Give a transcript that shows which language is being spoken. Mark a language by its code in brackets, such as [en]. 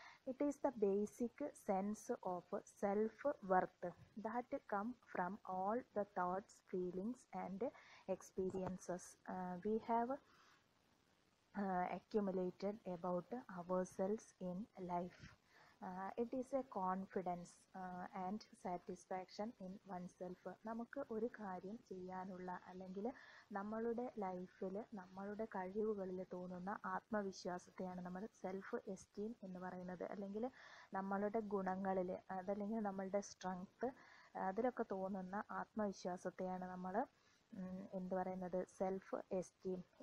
[en] It is the basic sense of self worth that come from all the thoughts, feelings and experiences we have accumulated about ourselves in life. It is a confidence and satisfaction in oneself. [ml] നമുക്ക് ഒരു കാര്യം ചെയ്യാനുള്ള അല്ലെങ്കിൽ നമ്മളുടെ ലൈഫിൽ നമ്മളുടെ കഴിവുകളിൽ തോന്നുന്ന ആത്മവിശ്വാസത്തെയാണ് നമ്മൾ സെൽഫ് എസ്റ്റീം എന്ന് പറയുന്നത്. അല്ലെങ്കിൽ നമ്മളുടെ ഗുണങ്ങളിൽ, അതല്ലെങ്കിൽ നമ്മളുടെ സ്ട്രെങ്ത്, അതിലൊക്കെ തോന്നുന്ന ആത്മവിശ്വാസത്തെയാണ് നമ്മൾ എന്ത് പറയുന്നത്, സെൽഫ് എസ്റ്റീം.